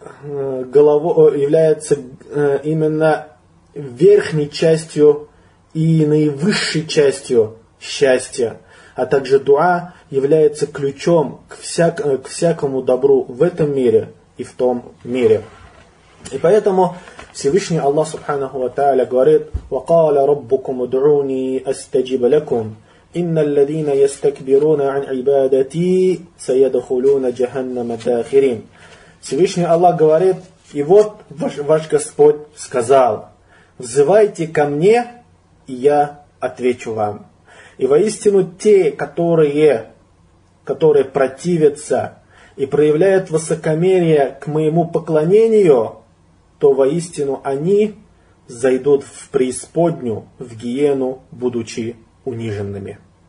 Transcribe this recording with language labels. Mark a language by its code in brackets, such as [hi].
[ru] головой, является именно верхней частью и наивысшей частью счастья. А также дуа является ключом к всякому добру в этом мире и в том мире. И поэтому Всевышний Аллах Субханаху ва Тааля говорит: [ar] وَقَالَ رَبُّكُمْ ادْعُونِي أَسْتَجِبْ لَكُمْ إِنَّ الَّذِينَ يَسْتَكْبِرُونَ عَنْ عِبَادَتِي سَيَدْخُلُونَ جَهَنَّمَ دَاخِرِينَ. [ru] Всевышний Аллах говорит: и вот ваш Господь сказал: «Взывайте ко мне, и я отвечу вам». И воистину те, которые противятся и проявляют высокомерие к моему поклонению, то воистину они зайдут в преисподнюю, в гиену, будучи униженными.